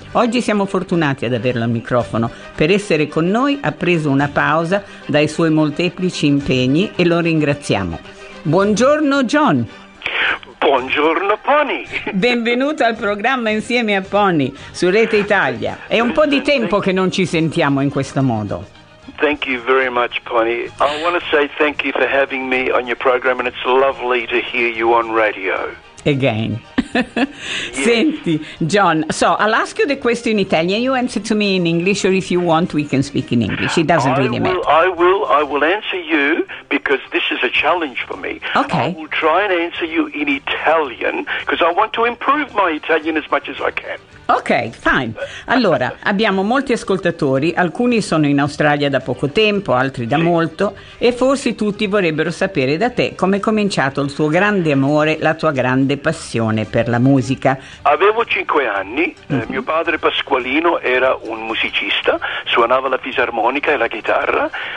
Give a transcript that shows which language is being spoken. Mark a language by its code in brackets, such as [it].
[it] Oggi siamo fortunati ad averlo al microfono. Per essere con noi ha preso una pausa dai suoi molteplici impegni e lo ringraziamo. Buongiorno John! Buongiorno Pony! Benvenuto al programma Insieme a Pony su Rete Italia. È un po' di tempo che non ci sentiamo in questo modo. [en] Thank you very much, Pony. I want to say thank you for having me on your program and it's lovely to hear you on radio. Again. Yes. [it] Senti, [en] John, so I'll ask you the question in Italian. You answer to me in English or if you want, we can speak in English. It doesn't really matter. I will answer you because this is a challenge for me. Okay. I will try and answer you in Italian because I want to improve my Italian as much as I can. Ok, fine. [it] Allora, abbiamo molti ascoltatori, alcuni sono in Australia da poco tempo, altri da molto, e forse tutti vorrebbero sapere da te come è cominciato il tuo grande amore, la tua grande passione per la musica. Avevo 5 anni, mio padre Pasqualino era un musicista, suonava la fisarmonica e la chitarra.